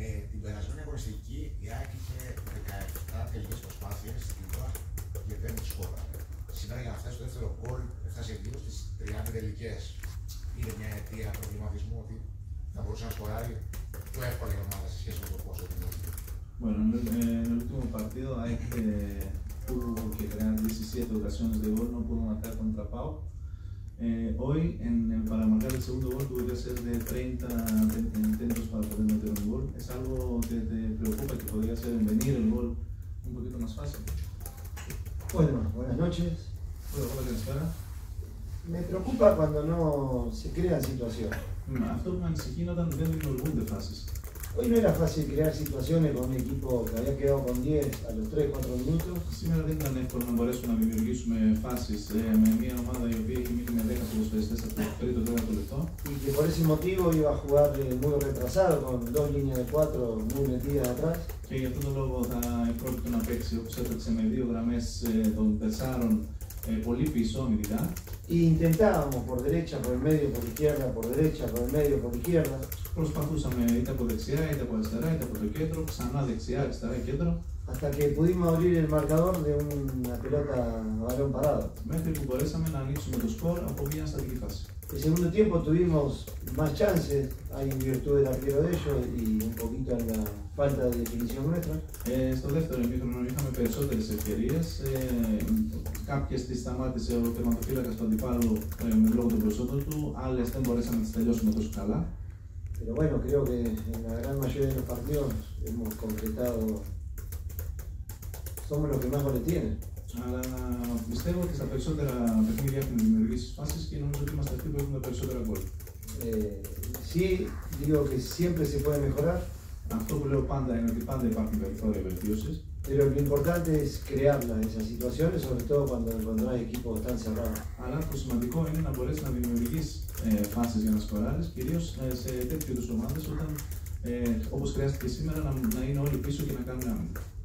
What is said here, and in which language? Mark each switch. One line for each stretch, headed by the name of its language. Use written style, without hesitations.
Greek: Την περασμένη αγώνα στην Κύη η ΑΕΚ είχε 17 τελικές προσπάθειες στην ΟΑΚ και δεν τις σκόραρε. Σήμερα για να φτάσει στο δεύτερο γκολ έφτασε γύρω στις 30 τελικές. Είναι μια αιτία προβληματισμού ότι θα μπορούσε να σκοράρει πιο εύκολα η ομάδα σε σχέση με το πόσο δημιουργεί.
Spanish: Bueno, en el último partido ΑΕΚ tuvo que crear 17 ocasiones de gol, no pudo marcar contra Pau. Hoy, para marcar el segundo gol, tuve que hacer de 30 intentos para poder meter un gol. ¿Es algo que te preocupa, que podría ser en venir el gol un poquito más fácil? Bueno, buenas noches. Bueno, ¿cómo te espera? Me preocupa cuando no se crean situaciones.
Greek: Αυτό που με ανησυχεί είναι όταν δεν δημιουργούν de fases.
Spanish: Hoy no era fácil crear situaciones con un equipo que había quedado con 10 a los 3-4 minutos.
Greek: Σήμερα δεν ήταν εύκολο να μπορέσουμε να δημιουργήσουμε φάσεις με μια ομάδα η οποία έχει μείνει με 10 ποδοσφαιριστές από το 3-4 λεπτό.
Spanish: Y que por ese motivo iba a jugar muy retrasado con dos líneas de 4 muy metidas atrás.
Greek: Και για αυτόν τον λόγο θα πρόκειται να παίξει όπως έπαιξε με δύο γραμμές των τεσσάρων πολύ πίσω αμυντικά.
Spanish: Y intentábamos por derecha, por el medio, por izquierda, por derecha, por el medio, por izquierda.
Greek: Προσπαθούσαμε είτε από δεξιά, είτε από αριστερά, είτε από το κέντρο, ξανά δεξιά, αριστερά, κέντρο.
Spanish: Hasta que pudimos abrir el marcador de una pelota balón parado.
Greek: Μέχρι που μπορέσαμε να ανοίξουμε το σκορ από μια στατική φάση.
Spanish: El segundo tiempo tuvimos más chances, ahí en virtud del arquero de ellos y un poquito en la falta de definición nuestra.
Greek: Στο δεύτερο εμίχρονο είχαμε περισσότερες ευκαιρίες. Κάποιες τις σταμάτησε ο τερματοφύλακας του αντιπάλου με λόγω των προσόντων του, άλλες δεν μπορέσαμε να τις τελειώσουμε τόσο καλά.
Spanish: Pero bueno, creo que en la gran mayoría de los partidos hemos completado. Somos los que más goles tienen.
Greek: Αλλά πιστεύω ότι στα περισσότερα παιχνίδια έχουμε δημιουργήσει φάσεις και νομίζω ότι είμαστε αυτοί που έχουμε περισσότερα γκολ.
Spanish: Sí, digo que siempre se puede mejorar.
Greek: Αυτό που λέω πάντα είναι ότι πάντα υπάρχουν περιθώρια βελτίωσης.
Spanish: Pero lo importante es crearlas, esas situaciones, sobre todo cuando encontrás equipos tan cerrados.
Greek: Αλλά το σημαντικό είναι να μπορέσεις να δημιουργείς φάσεις για να σκοράρεις, κυρίως σε τέτοιου είδους ομάδες, όταν, όπως χρειάστηκε σήμερα, να είναι όλοι πίσω και να κάνουν άμυνα.